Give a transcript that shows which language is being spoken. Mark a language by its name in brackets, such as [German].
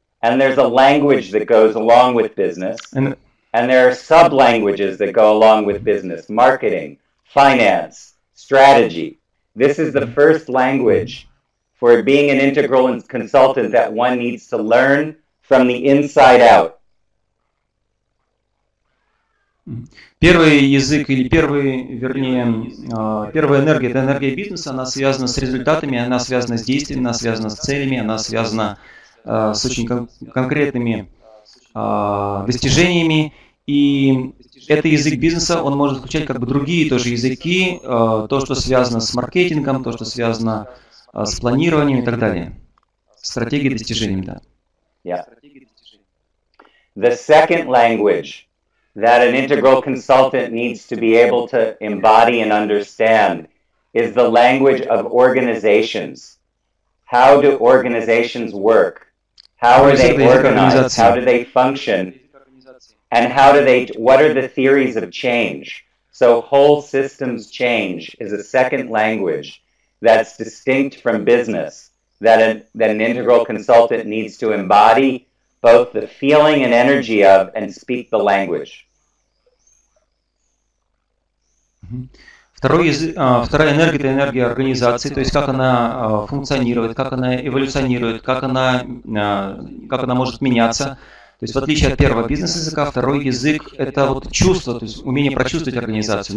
[English] And there's a language that goes along with business. And there are sub-languages that go along with business. Marketing, finance. Strategy. This is the first language for being an integral consultant that one needs to learn from the inside out. [Russian] Первый язык или первый, вернее, первая энергия – это энергия бизнеса. Она связана с результатами, она связана с действиями, она связана с целями, она связана с очень конкретными достижениями. И это язык бизнеса, он может включать как бы другие тоже языки, то, что связано с маркетингом, то, что связано с планированием и так далее. Стратегии достижений, да. [English] The second language that an integral consultant needs to be able to embody and understand is the language of organizations. How do organizations work? How are they organized? How do they function? And how do they, what are the theories of change? So whole systems change is a second language that's distinct from business that an integral consultant needs to embody both the feeling and energy of and speak the language. [Russian] Второй язык, вторая энергия – это энергия организации, то есть как она функционирует, как она эволюционирует, как она может меняться. То есть в отличие от первого бизнес-языка, второй язык – это вот чувство, то есть умение прочувствовать организацию.